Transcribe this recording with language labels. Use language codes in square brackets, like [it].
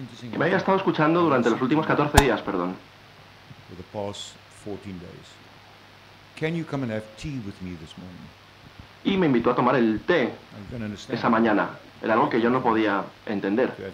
[es] que me había estado escuchando durante los últimos 14 días, perdón. [en] For the past 14 days. Can you come and have tea with me this morning? [es] Y me invitó a tomar el té esa mañana. Era algo que yo no podía entender.